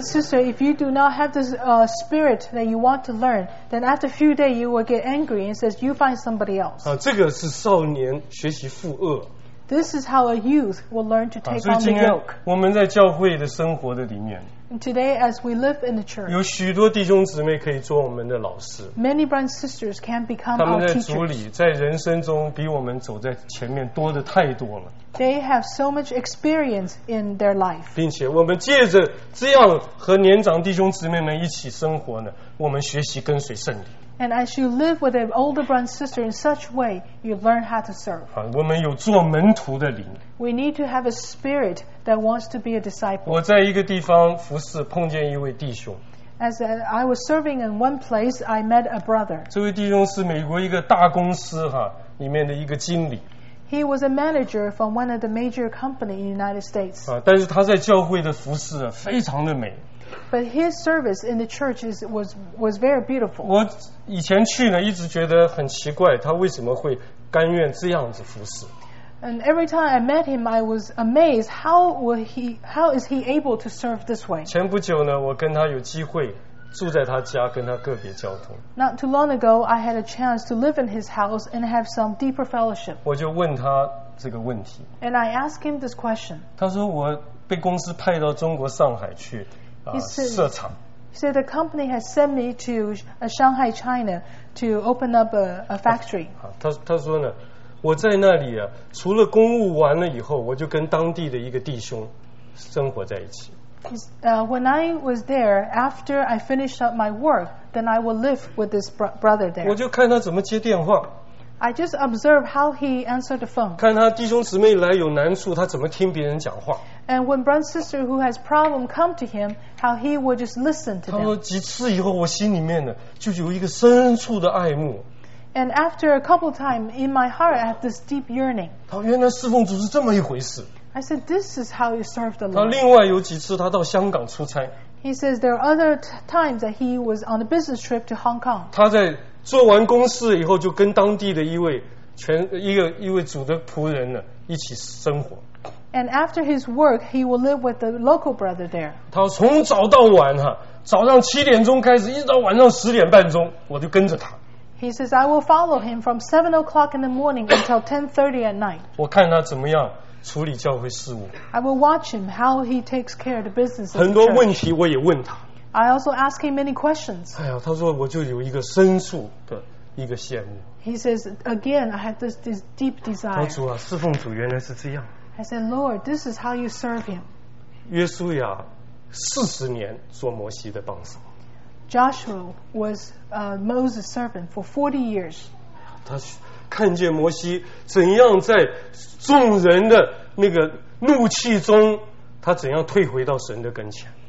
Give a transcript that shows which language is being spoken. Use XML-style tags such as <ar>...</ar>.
<en>and sister, if you do not have this spirit that you want to learn, then after a few days you will get angry and says, "You find somebody else."</en> <zh>这个是少年学习负轭。</zh> <en>This is how a youth will learn to take on the yoke.</en> <zh>所以今天我们在教会的生活的里面。</zh> <en>Today, as we live in the church,</en> <zh>有许多弟兄姊妹可以做我们的老师。</zh> <en>Many brothers and sisters can become our teachers.</en> <zh>他们在主里，在人生中比我们走在前面多的太多了。</zh> <en>They have so much experience in their life.</en> <zh>并且我们借着这样和年长弟兄姊妹们一起生活呢，我们学习跟随圣灵。</zh> <en>And as you live with an older brother and sister in such a way, you learn how to serve.</en> <zh>我们有做门徒的灵。</zh> <en>We need to have a spirit that wants to be a disciple.</en> <zh>我在一个地方服侍，碰见一位弟兄。</zh> <en>As I was serving in one place, I met a brother.</en> <zh>这位弟兄是美国一个大公司哈里面的一个经理。</zh> <en>He was a manager from one of the major companies in the United States.</en> <zh>啊，但是他在教会的服侍非常的美。</zh> <en>But his service in the church was very beautiful.</en> <zh>我以前去呢，一直觉得很奇怪，他为什么会甘愿这样子服侍。</zh> <en>And every time I met him, I was amazed how is he able to serve this way.</en> <zh>前不久呢，我跟他有机会住在他家，跟他个别交通。</zh> <en>Not too long ago, I had a chance to live in his house and have some deeper fellowship.</en> <zh>我就问他这个问题。</zh> <en>And I asked him this question.</en> <zh>他说我被公司派到中国上海去设厂。</zh> <en>He said the company has sent me to Shanghai, China to open up a factory.</en> <zh>他说呢我在那里啊，除了公务完了以后，我就跟当地的一个弟兄生活在一起。</zh> <en>When I was there, after I finished up my work, then I would live with this brother there.</en> <zh>我就看他怎么接电话。</zh> <en>I just observed how he answered the phone.</en> <zh>看他弟兄姊妹来有难处，他怎么听别人讲话。</zh> <en>And when brother sister who has problem come to him, how he would just listen to them.</en> <zh>他说几次以后，我心里面呢就有一个深处的爱慕。</zh> <en>And after a couple of times, in my heart, I have this deep yearning.</en> <zh>他原来侍奉主是这么一回事。</zh> <en>I said, this is how you serve the Lord.</en> <zh>他另外有几次他到香港出差。</zh> <en>He says there are other times that he was on a business trip to Hong Kong.</en> <zh>他在做完公事以后，就跟当地的一位主的仆人呢一起生活。</zh> <en>And after his work, he will live with the local brother there.</en> <zh>他从早到晚哈，早上七点钟开始，一直到晚上十点半钟，我就跟着他。</zh> <en>He says, I will follow him from 7 o'clock in the morning until 10:30 at night.</en> <zh>我看他怎么样处理教会事务。</zh> <en>I will watch him how he takes care of the business.</en> <zh>很多问题我也问他。</zh> <en>I also ask him many questions.</en> <zh>哎呀，他说我就有一个深处的一个羡慕。</zh> <en>He says, again, I have this deep desire.</en> <zh>主啊，侍奉主原来是这样。</zh> <en>I said, Lord, this is how you serve him.</en> <zh>约书亚40年做摩西的帮手。</zh> <en>Joshua was Moses' servant for 40 years.</en> <zh>他看见摩西怎样在众人的那个怒气中，他怎样退回到神的跟前。</zh>